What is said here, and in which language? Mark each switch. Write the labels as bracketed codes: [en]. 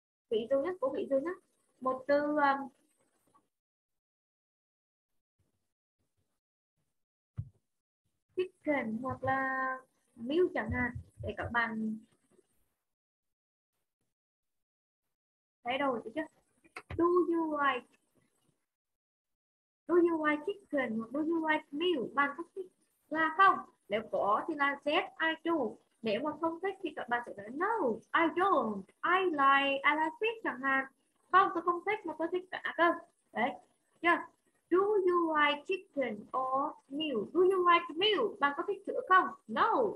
[vi] Ví dụ nhá. Một từ chicken hoặc là milk chẳng hạn, để các bạn thay đổi được chứ. [en] Do you like chicken [vi] hoặc [en] do you like milk? [vi] Bạn có thích là không? Nếu có thì là [en] yes, I do. [vi] Nếu mà không thích thì các bạn sẽ nói [en] no, I don't. I like fish [vi] chẳng hạn. Không, tôi không thích mà tôi thích cả cơ. Đấy, chưa? [en] Yeah. Do you like chicken or meal? Do you like meal? [vi] Bạn có thích sữa không? [en] No.